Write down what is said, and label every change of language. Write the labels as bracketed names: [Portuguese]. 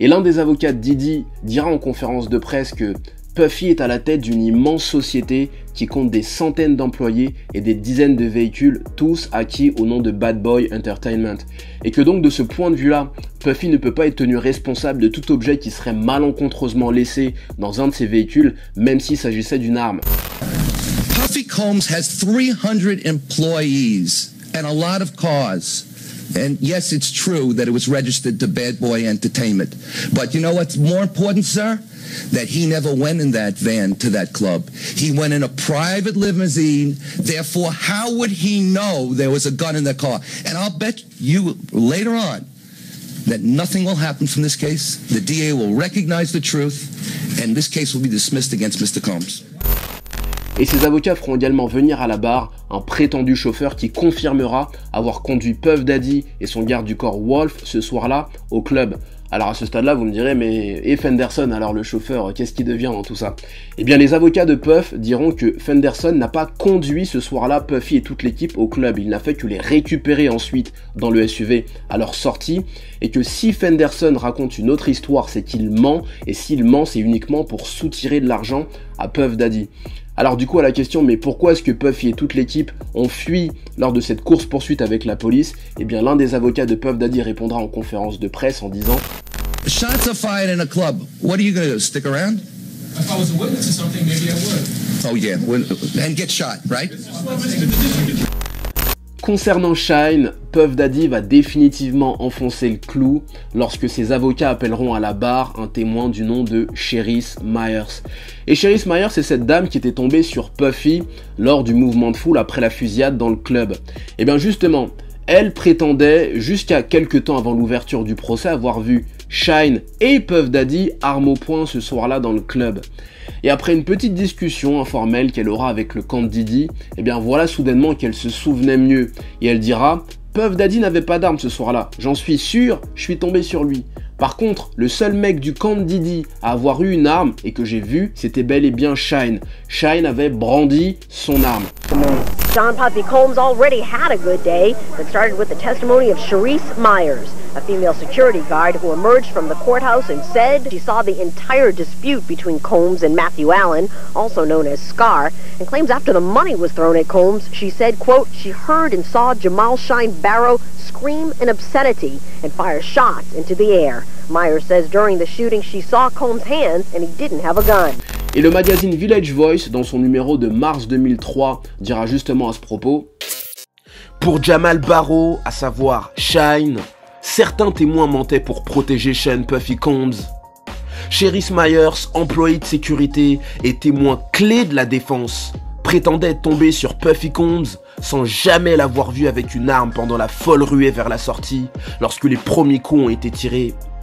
[French] Et l'un des avocats de Diddy dira en conférence de presse que Puffy est à la tête d'une immense société qui compte des centaines d'employés et des dizaines de véhicules, tous acquis au nom de Bad Boy Entertainment. Et que donc, de ce point de vue-là, Puffy ne peut pas être tenu responsable de tout objet qui serait malencontreusement laissé dans un de ses véhicules, même s'il s'agissait d'une arme. [English] Puffy Combs has 300 employees and a lot of cars. And yes, it's true that it was registered to Bad Boy Entertainment. But you know what's more important, sir? That he never went in that van to that club. He went in a private limousine. Therefore, how would he know there was a gun in the car? And I'll bet you later on that nothing will happen from this case. The DA will recognize the truth and this case will be dismissed against Mr. Combs. [French] Et ses avocats feront également venir à la barre un prétendu chauffeur qui confirmera avoir conduit Puff Daddy et son garde du corps Wolf ce soir-là au club. Alors à ce stade-là, vous me direz, mais et Fenderson, alors le chauffeur, qu'est-ce qu'il devient dans tout ça? Eh bien, les avocats de Puff diront que Fenderson n'a pas conduit ce soir-là Puffy et toute l'équipe au club. Il n'a fait que les récupérer ensuite dans le SUV à leur sortie. Et que si Fenderson raconte une autre histoire, c'est qu'il ment. Et s'il ment, c'est uniquement pour soutirer de l'argent à Puff Daddy. Alors du coup, à la question, mais pourquoi est-ce que Puffy et toute l'équipe ont fui lors de cette course-poursuite avec la police? Eh bien, l'un des avocats de Puff Daddy répondra en conférence de presse en disant [English] « Shots are fired in a club. What are you going to do? Stick around? If I was a witness to something, maybe I would. Oh yeah, and get shot, right? » [French] Concernant Shine, Puff Daddy va définitivement enfoncer le clou lorsque ses avocats appelleront à la barre un témoin du nom de Cherise Myers. Et Cherise Myers, c'est cette dame qui était tombée sur Puffy lors du mouvement de foule après la fusillade dans le club. Et bien justement, elle prétendait, jusqu'à quelques temps avant l'ouverture du procès, avoir vu Shine et Puff Daddy arme au poing ce soir-là dans le club. Et après une petite discussion informelle qu'elle aura avec le camp de Diddy, eh bien voilà soudainement qu'elle se souvenait mieux. Et elle dira « Puff Daddy n'avait pas d'arme ce soir-là, j'en suis sûr, je suis tombé sur lui. Par contre, le seul mec du camp de Diddy à avoir eu une arme et que j'ai vu, c'était bel et bien Shine. Shine avait brandi son arme. » [English] John Puffy Combs already had a good day that started with the testimony of Cherise Myers, a female security guard who emerged from the courthouse and said she saw the entire dispute between Combs and Matthew Allen, also known as Scar, and claims after the money was thrown at Combs, she said, quote, she heard and saw Jamal Shine Barrow scream in obscenity and fire shots into the air. Myers says during the shooting she saw Combs' hands and he didn't have a gun. [French] Et le magazine Village Voice, dans son numéro de mars 2003, dira justement à ce propos « Pour Jamal Barrow, à savoir Shine, certains témoins mentaient pour protéger Shine Puffy Combs. Cherise Myers, employé de sécurité et témoin clé de la défense, prétendait tomber sur Puffy Combs sans jamais l'avoir vu avec une arme pendant la folle ruée vers la sortie, lorsque les premiers coups ont été tirés.